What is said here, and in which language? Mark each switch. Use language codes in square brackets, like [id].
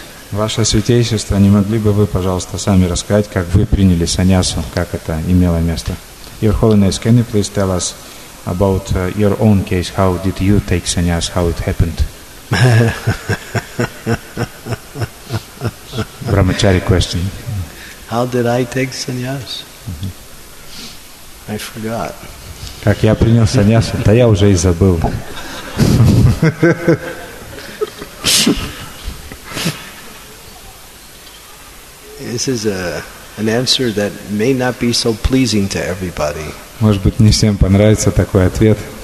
[ru] Ваше святейшество, не могли бы вы, пожалуйста, сами рассказать, как вы приняли саньясу, как это имело место? [en] Your Holiness, can you please tell us about your own case, how did you take sannyas, how it happened? Brahmachari question. How did I take sannyas? I forgot. [ru] Как я принял саньясу? Да я уже и забыл. [en] This is an answer that may not be so pleasing to everybody. [ru] Может быть, не всем понравится такой ответ.